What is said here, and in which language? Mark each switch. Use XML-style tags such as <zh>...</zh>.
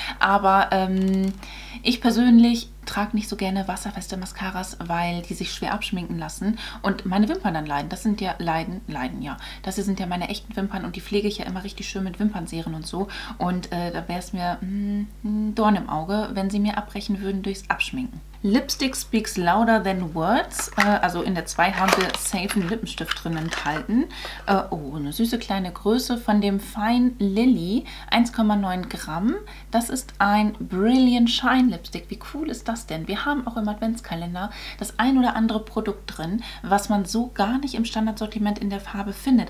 <de>Aber ich persönlich trage nicht so gerne wasserfeste Mascaras, weil die sich schwer abschminken lassen und meine Wimpern dann leiden. Das hier sind ja meine echten Wimpern und die pflege ich ja immer richtig schön mit Wimpernseren und so. Und da wäre es mir ein Dorn im Auge, wenn sie mir abbrechen würden durchs Abschminken.</de> <en>Lipstick speaks louder than words.</en> <de>Also in der 2 haben wir safe einen Lippenstift drin enthalten. Eine süße kleine Größe von dem Fine Lily. 1,9 Gramm. Das ist ein Brilliant Shine Lipstick. Wie cool ist das denn? Wir haben auch im Adventskalender das ein oder andere Produkt drin, was man so gar nicht im Standardsortiment in der Farbe findet.</de>